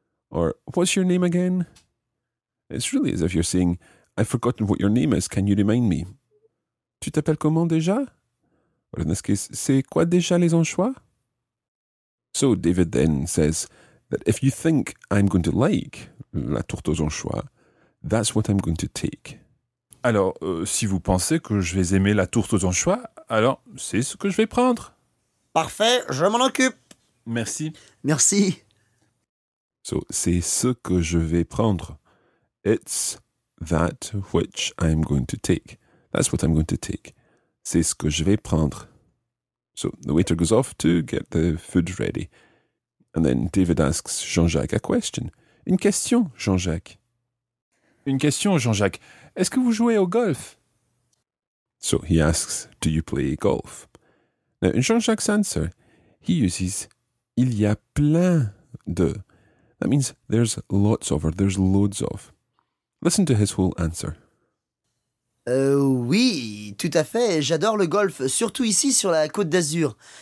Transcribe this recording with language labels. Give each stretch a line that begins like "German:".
English: Or, what's your name again? It's really as if you're saying, I've forgotten what your name is, can you remind me?
French: Tu t'appelles comment déjà? Or in this case, c'est quoi déjà les anchois?
English: So David then says that if you think I'm going to like
French: la tourte aux anchois,
English: that's what I'm going to take.
French: Alors, si vous pensez que je vais aimer la tourte aux anchois, alors c'est ce que je vais prendre. Parfait, je m'en occupe. Merci. Merci.
English: So,
French: c'est ce que je vais prendre.
English: It's that which I'm going to take. That's what I'm going to take.
French: C'est ce que je vais prendre.
English: So, the waiter goes off to get the food ready. And then David asks Jean-Jacques a question.
French: Une question, Jean-Jacques. Une question, Jean-Jacques. Est-ce que vous jouez au golf?
English: So he asks, do you play golf? Now, in Jean-Jacques' answer, he uses
French: il y a plein de.
English: That means there's lots of or there's loads of. Listen to his whole answer.
French: Oui, tout à fait. J'adore le golf, surtout ici sur la Côte d'Azur.